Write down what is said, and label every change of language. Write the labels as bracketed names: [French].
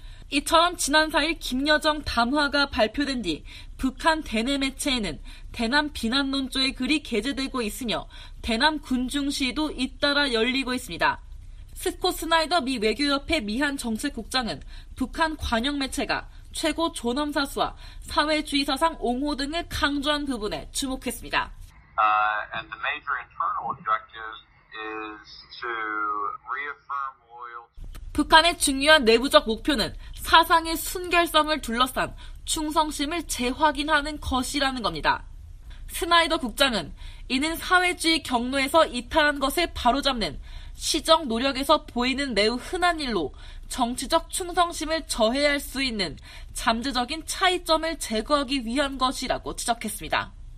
[Korean] 이처럼 지난 4일 김여정 담화가 발표된 뒤 북한 대내 매체에는 대남 비난 논조의 글이 게재되고 있으며 대남 군중 시위도 잇따라 열리고 있습니다. 스콧 스나이더 미 외교협회 미한정책국장은 북한 관영 매체가 최고 존엄사수와 사회주의 사상 옹호 등을 강조한 부분에 주목했습니다. [English] And the major internal objective is to reaffirm loyalty. [Korean] 북한의 중요한 내부적 목표는 사상의 순결성을 둘러싼 충성심을 재확인하는 것이라는 겁니다. 스나이더 국장은 이는 사회주의 경로에서 이탈한 것을 바로잡는 시정 노력에서 보이는 매우 흔한 일로 정치적 충성심을 저해할 수 있는 잠재적인 차이점을 제거하기 위한 것이라고 지적했습니다.